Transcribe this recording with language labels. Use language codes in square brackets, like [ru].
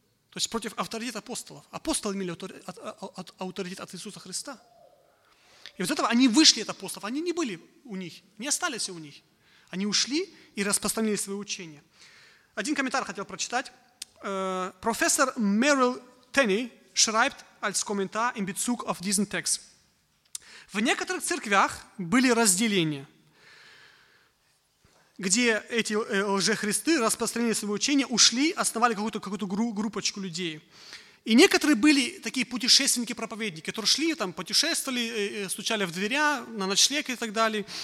[ru] То есть против авторитета апостолов. Апостолы имели авторитет от Иисуса Христа. И вот этого они вышли от апостолов. Они не были у них, не остались у них. Они ушли и распространили свои учения. Один комментарий хотел прочитать. [de] Профессор Мэрил Тенни schreibt als Kommentar in Bezug auf diesen Text. [ru] В некоторых церквях были разделения, где эти лжехристы распространили свои учения, ушли, основали какую-то группочку людей. И некоторые были такие путешественники-проповедники, которые шли, там, путешествовали, стучали в дверя, на ночлег и так далее.